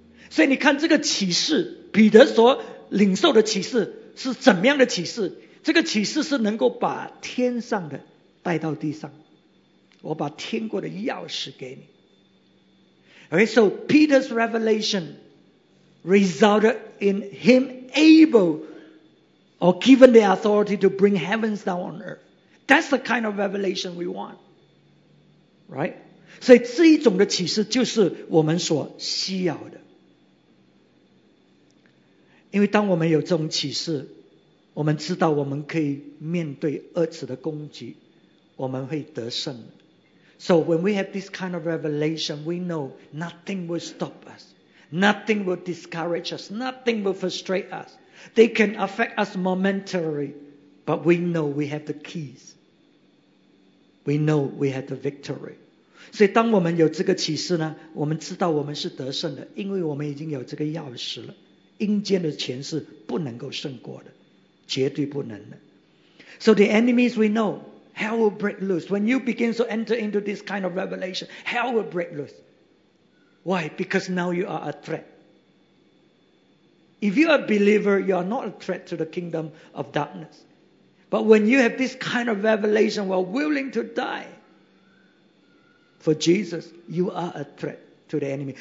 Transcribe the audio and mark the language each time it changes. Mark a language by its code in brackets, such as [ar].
[zh] 所以你看这个启示，彼得所领受的启示是怎么样的启示？这个启示是能够把天上的带到地上。我把天国的钥匙给你。 [en] OK, so Peter's revelation resulted in him able or given the authority to bring heavens down on earth. That's the kind of revelation we want. Right? [zh] 所以这一种的启示就是我们所需要的。因为当我们有这种启示，我们知道我们可以面对恶者的攻击，我们会得胜。 [en] So when we have this kind of revelation, we know nothing will stop us. Nothing will discourage us. Nothing will frustrate us. They can affect us momentarily, but we know we have the keys. We know we have the victory. [zh] 所以当我们有这个启示呢，我们知道我们是得胜的，因为我们已经有这个钥匙了。阴间的权势不能够胜过的，绝对不能的。 [en] So the enemies we know,Hell will break loose. When you begin to enter into this kind of revelation, hell will break loose. Why? Because now you are a threat. If you are a believer, you are not a threat to the kingdom of darkness. But when you have this kind of revelation, you are willing to die for Jesus, you are a threat to the enemy.